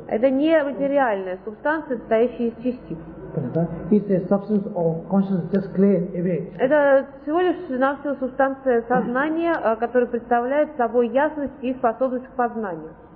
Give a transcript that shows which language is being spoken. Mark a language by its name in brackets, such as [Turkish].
[Russian] Это не материальная субстанция, состоящая из частиц. [English] It's a substance of consciousness just clear away. [Russian] Это всего лишь наша субстанция сознания, которая представляет собой ясность и способность к познанию.